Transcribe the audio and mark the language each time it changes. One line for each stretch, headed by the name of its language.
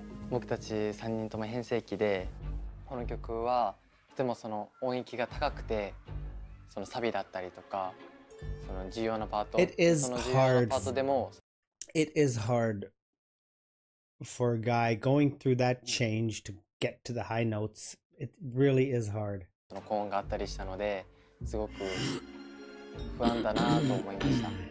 Japanese: 僕たち3人とも変声期で、この曲はとてもその音域が高くて、そのサビだったりとか、その重要なパート、その重要なパートでも、
English: It is hard for a guy going through that change to get to the high notes. It really is hard.
Japanese: その高音があったりしたので、すごく不安だなと思いました。